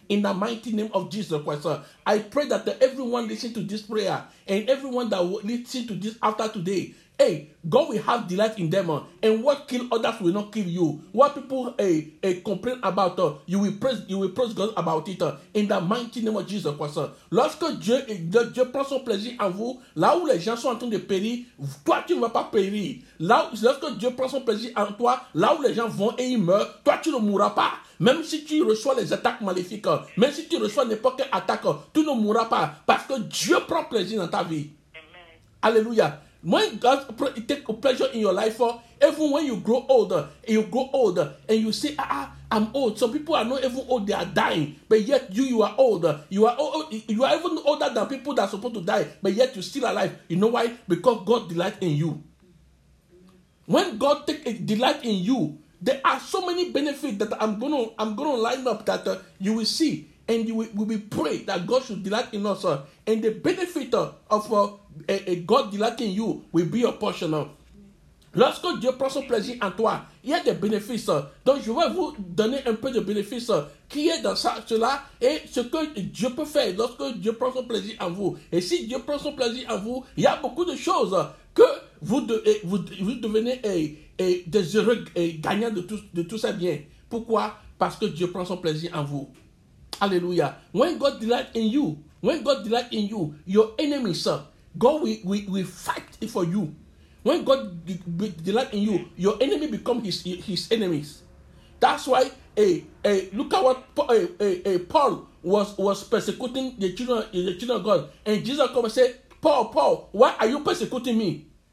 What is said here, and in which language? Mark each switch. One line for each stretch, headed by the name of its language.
English: In the mighty name of Jesus Christ, I pray that everyone listen to this prayer and everyone that will listen to this after today, God will have delight in them, and what kill others will not kill you. What people complain about, you will praise God about it in the mighty name of Jesus Christ.
French: Lorsque Dieu prend son plaisir en vous, là où les gens sont en train de périr, toi tu ne vas pas périr. Lorsque Dieu prend son plaisir en toi, là où les gens vont et ils meurent, toi tu ne mourras pas. Même si tu reçois les attaques maléfiques, même si tu reçois n'importe quelle attaque, tu ne mourras pas parce que Dieu prend plaisir dans ta vie. Amen. Alléluia.
English: When God take pleasure in your life, even when you grow older, and you say, I'm old. Some people are not even old, they are dying. But yet you are old. You are even older than people that are supposed to die, but yet you're still alive. You know why? Because God delights in you. When God takes delight in you, there are so many benefits that I'm gonna line up that you will see. And we pray that God should delight in us. And the benefit of God delighting you will be your portion.
French: Lorsque Dieu prend son plaisir en toi, il y a des bénéfices. Donc je vais vous donner un peu de bénéfices qui est dans cela et ce que Dieu peut faire lorsque Dieu prend son plaisir en vous. Et si Dieu prend son plaisir en vous, il y a beaucoup de choses que vous devenez des heureux gagnants de tout ça bien. Pourquoi? Parce que Dieu prend son plaisir en vous.
English: Hallelujah. When God delight in you, when God delight in you, your enemies, sir, God will fight for you. When God delight in you, your enemy become his enemies. That's why look at what Paul was persecuting the children of God, and Jesus come and say, Paul, why are you persecuting me?